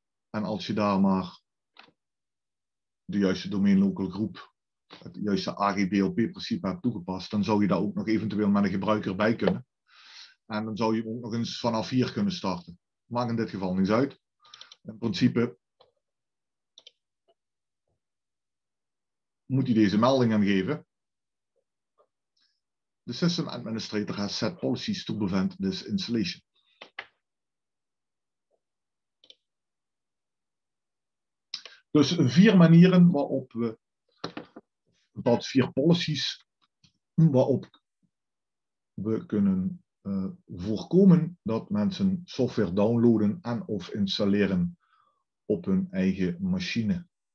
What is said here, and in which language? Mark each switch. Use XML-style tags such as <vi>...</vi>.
<nl>En als je daar maar de juiste domain local group, het juiste AGDLP principe hebt toegepast, dan zou je daar ook nog eventueel met een gebruiker bij kunnen. En dan zou je ook nog eens vanaf hier kunnen starten. Maakt in dit geval niets uit. In principe moet je deze melding hem geven.</nl> <en>The system administrator has set policies to prevent this installation.</en> <nl>Dus vier manieren waarop we, dat vier policies waarop we kunnen voorkomen dat mensen software downloaden en of installeren op hun eigen machine.</nl>